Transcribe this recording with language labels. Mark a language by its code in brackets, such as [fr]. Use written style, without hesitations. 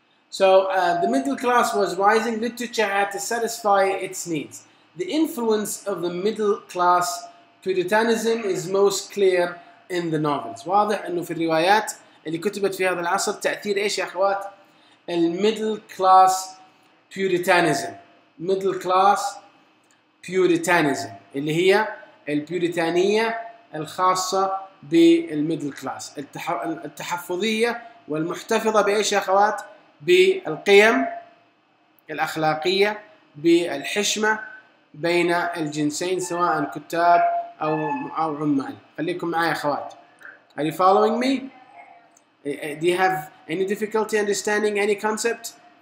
[en] So the middle class was rising, literature had to satisfy its needs. The influence of the middle class Puritanism is most clear in the novels. [ar] واضح انه في الروايات اللي كتبت في هذا العصر تأثير ايش يا اخوات؟ [en] Middle class Puritanism. Middle class Puritanism [ar] اللي هي البوريتانية الخاصة بالميدل كلاس التحفظية والمحتفظة بايش يا اخوات؟ بالقيم الأخلاقية, بالحشمة بين الجنسين سواء كتاب أو عمال. خليكم معايا أخوات. [en] Are you following me? Do you have any difficulty understanding any concept?